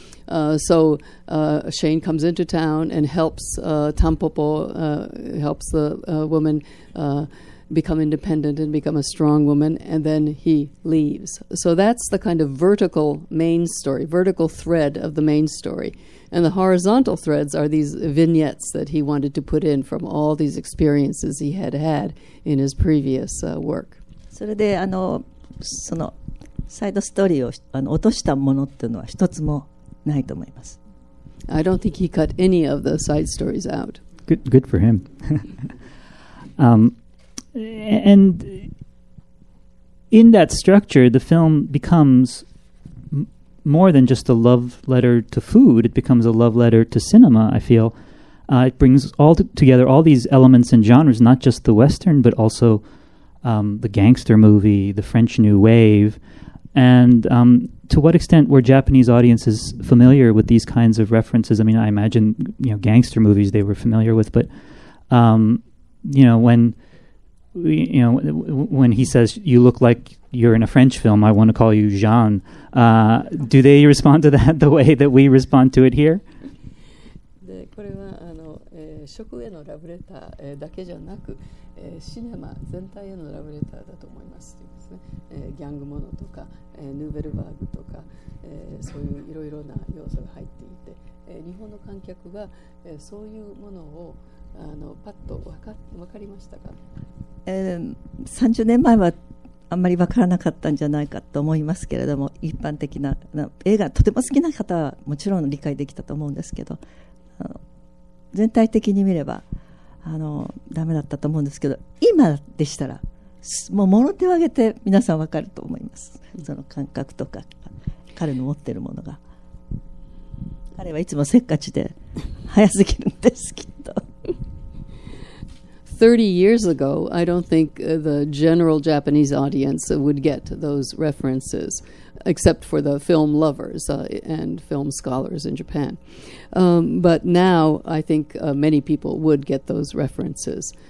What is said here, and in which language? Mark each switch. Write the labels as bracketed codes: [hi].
[en] So Shane comes into town and helps Tampopo, helps the woman become independent and become a strong woman, and then he leaves. So that's the kind of vertical main story, vertical thread of the main story. And the horizontal threads are these vignettes that he wanted to put in from all these experiences he had had in his previous work. [ja] それでそのサイドストーリーを落としたものっていうのは一つもないと思います。 [en] I don't think he cut any of the side stories out. Good for him. and in that structure, the film becomes more than just a love letter to food. It becomes a love letter to cinema, I feel. It brings all together all these elements and genres, not just the Western, but alsothe gangster movie, the French New Wave, and to what extent were Japanese audiences familiar with these kinds of references? I mean, I imagine, you know, gangster movies they were familiar with, but, when he says, you look like you're in a French film, I want to call you Jean, do they respond to that the way that we respond to it here? [ja] これは食へのラブレター、だけじゃなく、シネマ全体へのラブレターだと思いま す, です、ねギャングモノとか、ヌーベルバーグとか、そういういろいろな要素が入っていて、日本の観客が、そういうものをパッと分かりましたか、 30年前はあんまり分からなかったんじゃないかと思いますけれども、一般的な映画とても好きな方はもちろん理解できたと思うんですけど、全体的に見ればダメだったと思うんですけど、今でしたらもう物手を挙げて皆さん分かると思います。その感覚とか彼の持ってるものが、彼はいつもせっかちで早すぎるんですきっと。 [en] 30 years ago, I don't think the general Japanese audience would get those references, except for the film lovers and film scholars in Japan. But now, I think many people would get those references.